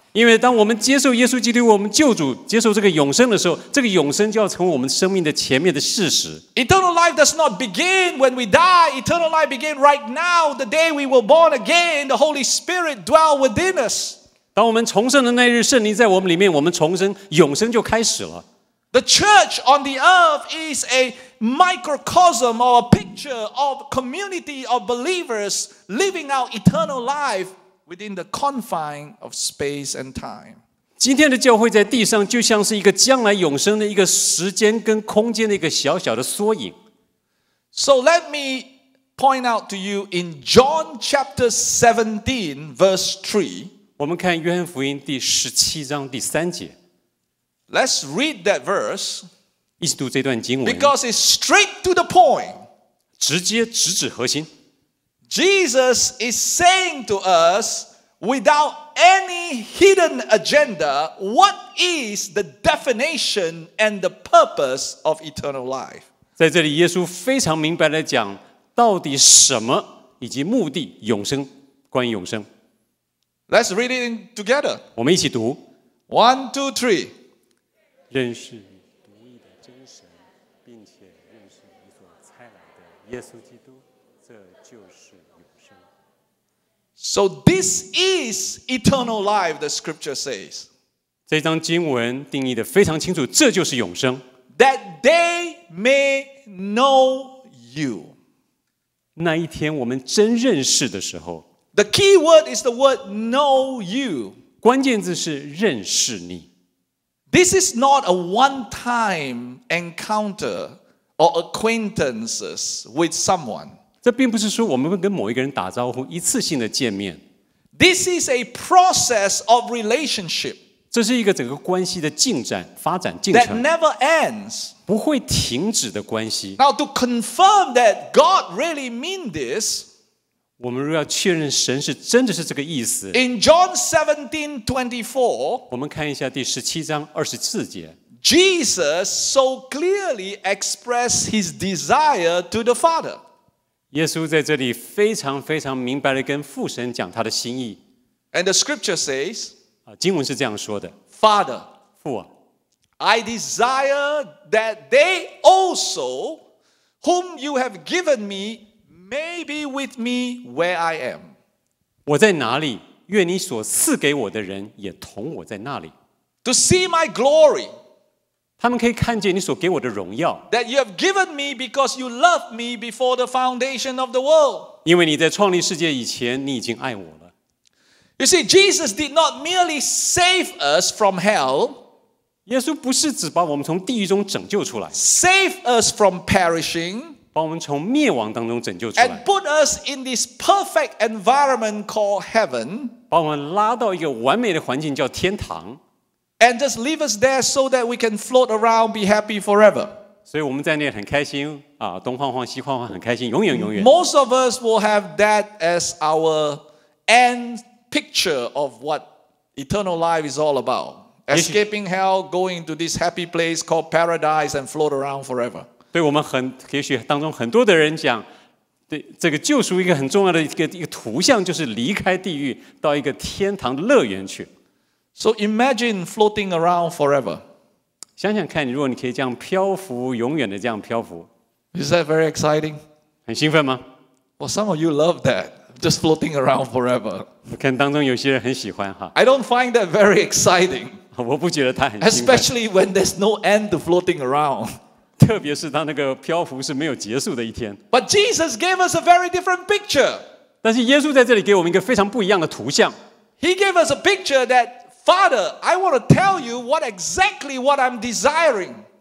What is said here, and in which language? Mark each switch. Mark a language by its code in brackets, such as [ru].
[zh] 因为当我们接受耶稣基督，我们救主，接受这个永生的时候，这个永生就要成为我们生命的前面的事实。 [en] Eternal life does not begin when we die. Eternal life begin right now, the day we were born again. The Holy Spirit dwell within us. [zh] 当我们重生的那日，圣灵在我们里面，我们重生，永生就开始了。 [en] The church on the earth is a microcosm or a picture of community of believers living out eternal life within the confine of space and time. [zh] 今天的教会在地上就像是一个将来永生的一个时间跟空间的一个小小的缩影。 [en] So let me point out to you in John chapter 17 verse 3. [zh] 我们看约翰福音第十七章第三节。 [en] Let's read that verse. [zh] 一起读这段经文。 [en] Because it's straight to the point. [zh] 直接直指核心。 [en] Jesus is saying to us, without any hidden agenda, what is the definition and the purpose of eternal life? [zh] 在这里，耶稣非常明白地讲，到底什么以及目的永生，关于永生。 [en] Let's read it together. [zh] 我们一起读。 [en] One, two, three. [zh] 认识独一的真神，并且认识你所差来的耶稣基督，这就是永生。 [en] So this is eternal life, the scripture says. [zh] 这张经文定义的非常清楚，这就是永生。 [en] That they may know you. [zh] 那一天我们真认识的时候。 [en] The key word is the word know you. [zh] 关键字是认识你。 [en] This is not a one-time encounter or acquaintances with someone. [zh] 这并不是说我们跟某一个人打招呼，一次性的见面。 [en] This is a process of relationship. [zh] 这是一个整个关系的进展，发展进程。 [en] That never ends. [zh] 不会停止的关系。 [en] Now to confirm that God really means this, [zh] 我们若要确认神是真的是这个意思。 [en] In John 17:24, [zh] 我们看一下第十七章二十四节。 [en] Jesus so clearly expressed his desire to the Father. [zh] 耶稣在这里非常非常明白地跟父神讲他的心意。 [en] And the scripture says, [zh] 经文是这样说的。 [en] Father, [zh] 父啊 [en] I desire that they also, whom you have given me,May be with me where I am. [zh] 我在哪里，愿你所赐给我的人也同我在那里。 [en] To see my glory. [zh] 他们可以看见你所给我的荣耀。 [en] That you have given me because you loved me before the foundation of the world. [zh] 因为你在创立世界以前，你已经爱我了。 [en] You see, Jesus did not merely save us from hell. [zh] 耶稣不是只把我们从地狱中拯救出来。 [en] Save us from perishing. [zh] 把我们从灭亡当中拯救出来。 [en] And put us in this perfect environment called heaven. [zh] 把我们拉到一个完美的环境叫天堂。 [en] And just leave us there so that we can float around, be happy forever. [zh] 所以我们在那里很开心啊，东晃晃西晃晃很开心，永远永远。 [en] Most of us will have that as our end picture of what eternal life is all about. Escaping hell, going to this happy place called paradise and float around forever. [zh] 对我们很也许当中很多的人讲对这个救赎一个很重要的一个图像就是离开地狱到一个天堂乐园去。 [en] So imagine floating around forever. [zh] 想想看如果你可以这样漂浮永远的这样漂浮。 [en] Is that very exciting? [zh] 很兴奋吗 [en] Well, some of you love that, just floating around forever. [zh] 我看当中有些人很喜欢哈。 [en] I don't find that very exciting. [zh] 我不觉得它很兴奋。 [en] Especially when there's no end to floating around. [zh] 特别是他那个漂浮是没有结束的一天。 [en] But Jesus gave us a very different picture. [zh] 但是耶稣在这里给我们一个非常不一样的图像。 [en] He gave us a picture that, Father, I want to tell you what exactly what I'm desiring.